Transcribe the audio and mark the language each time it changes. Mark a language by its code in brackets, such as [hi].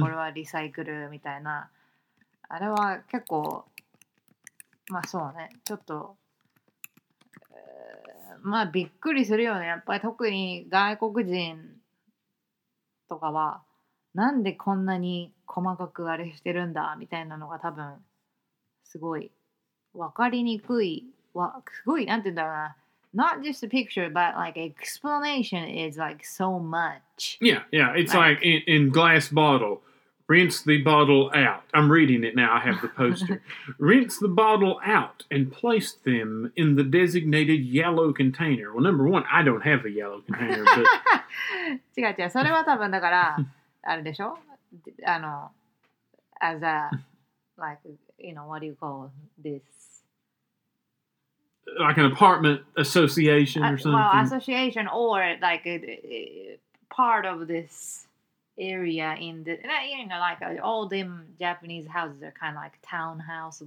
[ja] これはリサイクルみたいなあれは結構まあそうねちょっと、まあびっくりするよねやっぱり特に外国人とかはなんでこんなに細かくあれしてるんだみたいなのが多分すごい分かりにくいわすごいなんて言うんだろうな [en] Not just a picture, but like explanation is like so much. Yeah, it's like in glass bottle. Rinse the bottle out. I'm reading it now. I have the poster. Rinse the bottle out and place them in the designated yellow container. Well, number one, I don't have a yellow container. But... [ja] 違う。それは多分だから、あれでしょ? [en] あの、as a, like, you know, what do you call this? Like an apartment association or something? Well, association or like a part of this... Area in the, you know, like all them Japanese houses are kind of like townhouse.